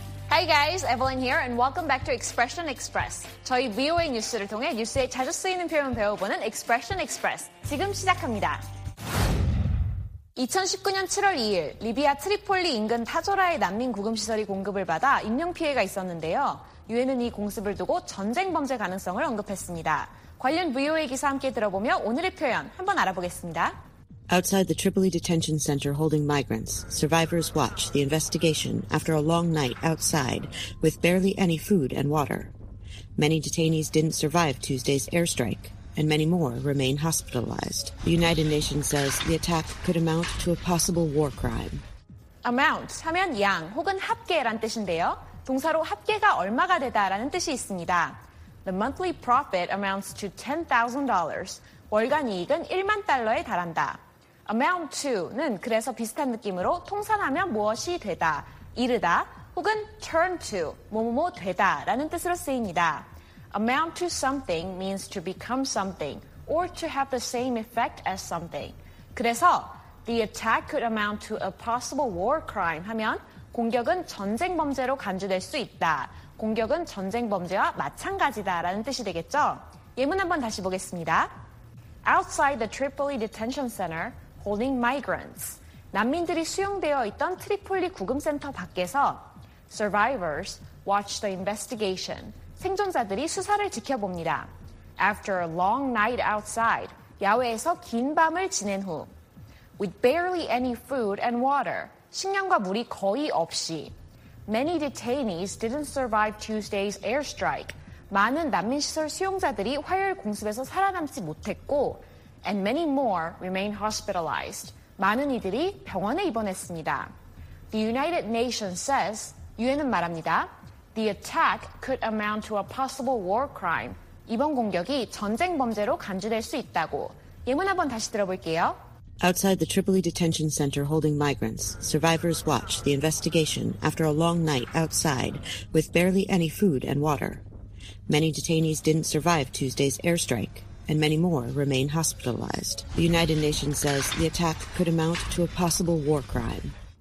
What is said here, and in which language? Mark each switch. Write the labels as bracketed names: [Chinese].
[English] Hi guys, Evelyn here and welcome back to Expression Express. [Korean] 저희 VOA 뉴스를 통해 뉴스에 자주 쓰이는 표현 배워보는 Expression Express 지금 시작합니다. 2019년 7월 2일 리비아 트리폴리 인근 타조라의 난민 구금 시설이 공급을 받아 인명 피해가 있었는데요. 유엔은 이 공습을 두고 전쟁 범죄 가능성을 언급했습니다. 관련 VOA 기사 함께 들어보며 오늘의 표현 한번 알아보겠습니다. [English] Outside the Tripoli detention center holding migrants, survivors watch the investigation after a long night outside with barely any food and water. Many detainees didn't survive Tuesday's airstrike, and many more remain hospitalized. The United Nations says the attack could amount to a possible war crime. [Korean] Amount 하면 양 혹은 합계란 뜻인데요. 동사로 합계가 얼마가 되다라는 뜻이 있습니다. [English] The monthly profit amounts to $10,000. [Korean] 월간 이익은 1만 달러에 달한다. Amount to는 그래서 비슷한 느낌으로 통산하면 무엇이 되다, 이르다, 혹은 turn to, 뭐뭐뭐 되다 라는 뜻으로 쓰입니다. [English] Amount to something means to become something or to have the same effect as something. [Korean] 그래서 [English] the attack could amount to a possible war crime [Korean] 하면 공격은 전쟁 범죄로 간주될 수 있다. 공격은 전쟁 범죄와 마찬가지다 라는 뜻이 되겠죠. 예문 한번 다시 보겠습니다. [English] Outside the Tripoli Detention Center, holding migrants. [Korean] 난민들이 수용되어 있던 트리폴리 구금센터 밖에서 [English] survivors watch the investigation. [Korean] 생존자들이 수사를 지켜봅니다. [English] After a long night outside. [Korean] 야외에서 긴 밤을 지낸 후 [English] with barely any food and water. [Korean] 식량과 물이 거의 없이 [English] many detainees didn't survive Tuesday's airstrike. [Korean] 많은 난민시설 수용자들이 화요일 공습에서 살아남지 못했고 [English] And many more remain hospitalized. [Korean] 많은 이들이 병원에 입원했습니다. [English] The United Nations says, [Korean] 유엔은 말합니다. [English] The attack could amount to a possible war crime. [Korean] 이번 공격이 전쟁 범죄로 간주될 수 있다고. 예문 한번 다시 들어볼게요. [English] Outside the Tripoli detention center holding migrants, survivors watch the investigation after a long night outside with barely any food and water. Many detainees didn't survive Tuesday's airstrike. And many more remain hospitalized. The United Nations says the attack could amount to a possible war crime.